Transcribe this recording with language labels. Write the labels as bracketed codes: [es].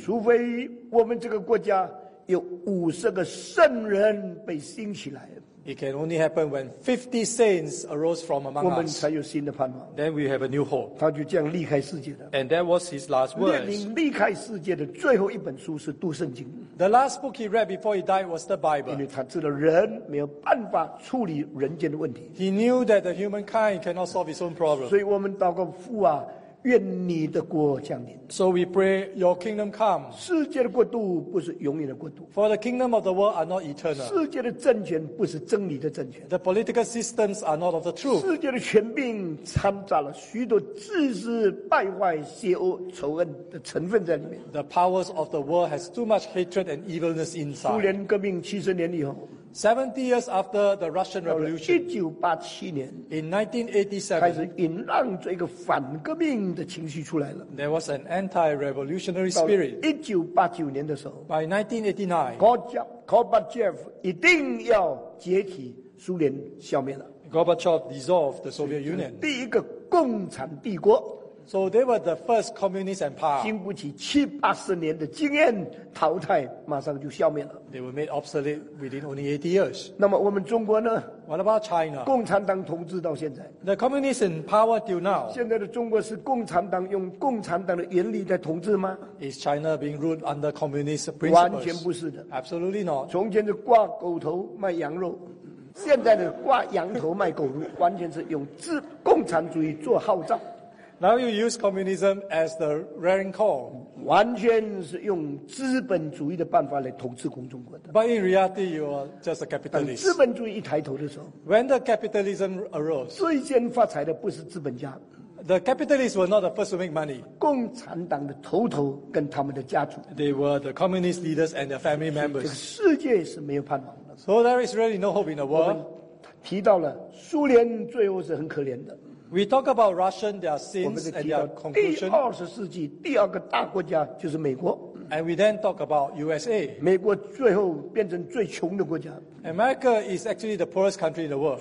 [zh] 除非我们这个国家有50个圣人被兴起来。 [en] It can only happen when 50 saints arose from among us. [zh] 我们才有新的盼望。 [en] Then we have a new hope. [zh] 他就这样离开世界了。 [en] And that was his last words. [zh] 列宁离开世界的最后一本书是读圣经。 [en] The last book he read before he died was the Bible. [zh] 因为他知道人没有办法处理人间的问题。 [en] He knew that the humankind cannot solve his own problem. [zh] 所以我们祷告父啊，愿你的国降临。 [en] So we pray, Your kingdom come. [zh] 世界的国度不是永远的国度。 [en] For the kingdom of the world are not eternal. [zh] 世界的政权不是真理的政权。 [en] The political systems are not of the truth. [zh] 世界的权柄掺杂了许多自私、败坏、邪恶、仇恨的成分在里面。 [en] The powers of the world has too much hatred and evilness inside. [zh] 苏联革命70年以后。 [en] 70 years after the Russian Revolution, [zh] 1987年 [en] in 1987, [zh] 开始引浪这个反革命的情绪出来了。 [en] There was an anti-revolutionary spirit. [zh] 1989年的时候 [en] ，by 1989, [zh] Gorbachev 一定要解体苏联，消灭了。 [en] Gorbachev dissolved the Soviet Union. [zh] 第一个共产帝国。 [en] So they were the first communist empire. [zh] 经不起七八十年的经验淘汰，马上就消灭了。 [en] They were made obsolete within only 80 years. [zh] 那么我们中国呢 [en] ？What about China? [zh] 共产党统治到现在。 [en] The communists in power till now. [zh] 现在的中国是共产党用共产党的原理在统治吗 [en] ？Is China being ruled under communist principles? [zh] 完全不是的。 [en] Absolutely not. [zh] 从前是挂狗头卖羊肉。现在的挂羊头卖狗肉，完全是用自共产主义做号召。 [en] Now you use communism as the rallying call. [zh] 完全是用资本主义的办法来统治中国的。 [en] But in reality, you are just a capitalist. [zh] 当资本主义一抬头的时候 [en] ，When the capitalism arose, [zh] 最先发财的不是资本家。 [en] The capitalists were not the first to make money. [zh] 共产党的头头跟他们的家族。 [en] They were the communist leaders and their family members. [zh] 这个世界是没有盼望的。 [en] So there is really no hope in the world. [zh] 我们提到了苏联最后是很可怜的。 [en] We talk about Russian, their sins and their conclusion. [zh] 第二十世纪第二个大国家就是美国。 [en] And we then talk about USA. [zh] 美国最后变成最穷的国家。 [en] America is actually the poorest country in the world.